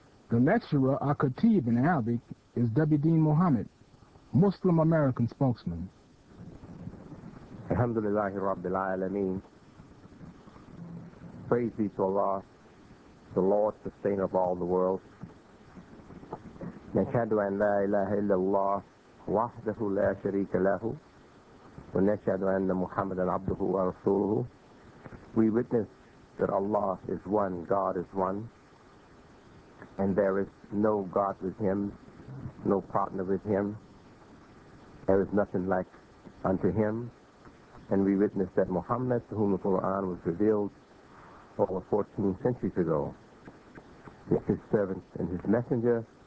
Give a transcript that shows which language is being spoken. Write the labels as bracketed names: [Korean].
[English] The lecturer, or khatib in Arabic, is W.D. Muhammad, Muslim American spokesman. [Arabic] Alhamdulillahi Rabbil Alameen. [English] Praise be to Allah, the Lord, sustainer of all the world. [Arabic] نشهد أن لا إله إلا الله وحده لا شريك له ونشهد أن محمدا عبده ورسوله. [English] We witness that Allah is one, God is one, and there is no God with Him, no partner with Him. There is nothing like unto Him, and we witness that Muhammad, to whom the Quran was revealed over 14 centuries ago, is His servant and His messenger.